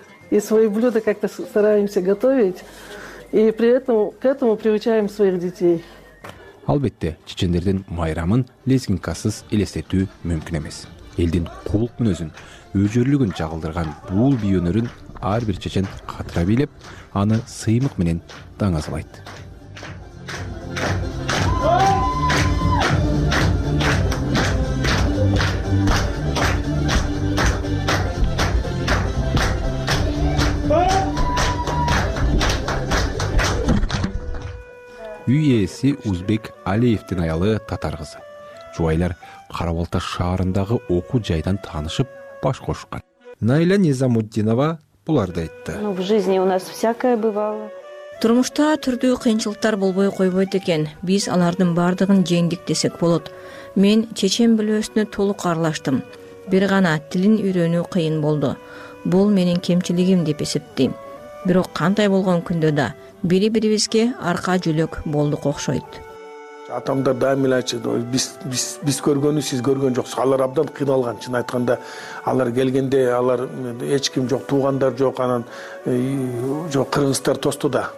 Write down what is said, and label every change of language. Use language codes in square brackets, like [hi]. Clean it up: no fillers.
[ru] И свои блюда как-то стараемся готовить и при этом к этому приучаем своих детей. [ky] Албетте, чечендердин майрамын лезгинкасыз элестетүү мүмкүн эмес. Элдин кулук мүнөзүн, өжөрлүгүн жагылдырган бул бий өнөрүн ар бир чечен катыра билеп, аны сыймык менен даңазалайт. Үй ээси Узбек Алиевдин аялы татар кызы. Жубайлар Кара Балта шаарындагы окуу жайдан таанышып баш кошкан. Наиля Низамутдинова буларды айтты. [ru] В жизни у нас всякое бывало. [ky] Турмушта түрдүү кыйынчылыктар болбой койбойт экен. Биз алардын бардыгын жеңдик десек болот. Мен чечен билөөсүнө толук аралаштым. Бир гана тилин үйрөнүү кыйын болду. Бул менин кемчилигим деп эсептейм. Бирок кандай болгон күндө да бири-бирибизге арка жүлөк болдук окшойт. Атамдар дайым эле айтышат, биз көргөнү сиз көргөн жоксуз. Алар абдан кыйналган. Чын айтканда алар келгенде алар эч ким жок, туугандар жок, анан жок кыргыздар тосту да.